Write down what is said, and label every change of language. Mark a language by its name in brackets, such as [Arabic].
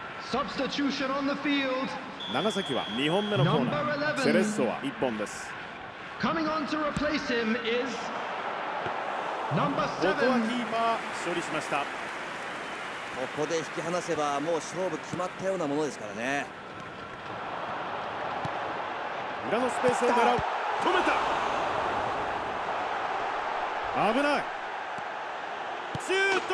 [English] Substitution on the field. [Japanese] 長崎は2本目のコーナー、セレッソは1本です。 [English] Coming on to replace him is... [Japanese] ここはキーパー処理しました。ここで引き離せばもう勝負決まったようなものですからね。裏のスペースを狙う、止めた、危ない、シュート、